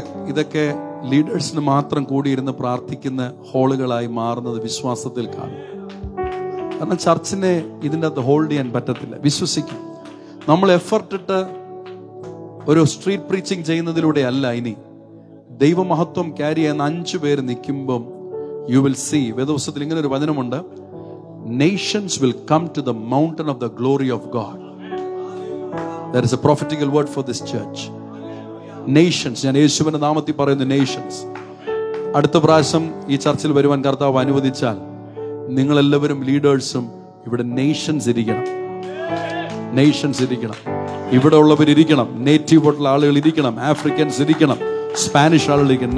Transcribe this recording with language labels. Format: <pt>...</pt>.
<ml>ഇതൊക്കെ ലീഡേഴ്സിന് മാത്രം കൂടിയിരുന്ന് പ്രാർത്ഥിക്കുന്ന ഹോളുകളായി മാറുന്നത് വിശ്വാസത്തിൽ കാണും. കാരണം ചർച്ചിനെ ഇതിൻ്റെ അത് ഹോൾഡ് ചെയ്യാൻ പറ്റത്തില്ല. വിശ്വസിക്കും, നമ്മൾ എഫർട്ട് ഇട്ട് ഒരു സ്ട്രീറ്റ് പ്രീച്ചിങ് ചെയ്യുന്നതിലൂടെ അല്ല. ഇനി ദൈവമഹത്വം ക്യാരി ചെയ്യുന്ന അഞ്ചു പേര് നിൽക്കുമ്പം</ml> <en>You will see.</en> <ml>വേദപുസ്തകത്തിൽ ഇങ്ങനെ ഒരു വചനമുണ്ട്,</ml> <en>Nations will come to the mountain of the glory of God. There is a prophetical word for this church.</en> <ml>Nations, ഞാൻ യേശുവിന്റെ നാമത്തിൽ പറയുന്ന നേഷൻസ്, അടുത്ത പ്രാവശ്യം ഈ ചർച്ചിൽ വരുവാൻ കർത്താവ് അനുവദിച്ചാൽ നിങ്ങൾ എല്ലാവരും ലീഡേഴ്സും ഇവിടെ നേഷൻസ് ഇരിക്കണം. നേഷൻസ് ഇരിക്കണം, ഇവിടെ ഉള്ളവർ ഇരിക്കണം, നേറ്റീവ് ഉള്ള ആളുകൾ ഇരിക്കണം, ആഫ്രിക്കൻസ് ഇരിക്കണം, സ്പാനിഷ് ആളുകൾ ഇരിക്കണം.</ml>